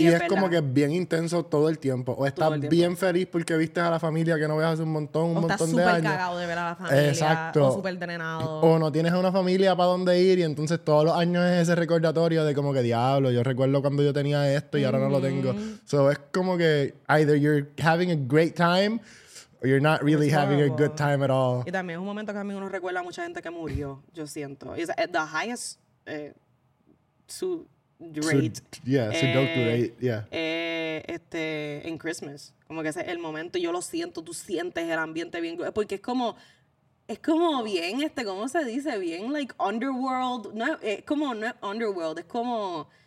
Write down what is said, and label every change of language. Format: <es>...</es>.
<es>y es como que bien intenso todo el tiempo. O estás tiempo. Bien feliz porque viste a la familia que no ves hace un montón de años. O estás súper cagado de ver a la familia. Exacto. O súper drenado. O no tienes a una familia para dónde ir y entonces todos los años es ese recordatorio de como que diablo, yo recuerdo cuando yo tenía esto y ahora no lo tengo.</es> <en>So</en> <es>es como que</es> <en>either you're having a great time or you're not really having a good time at all.</en> <es>Y también es un momento que a mí uno recuerda a mucha gente que murió, yo siento. Y es</es> <en>at the highest rate en Christmas.</en> <es>Como que ese es el momento, yo lo siento, tú sientes el ambiente bien. Porque es como bien, ¿cómo se dice? Bien, like, underworld. No, es como, no es underworld, es como...</es>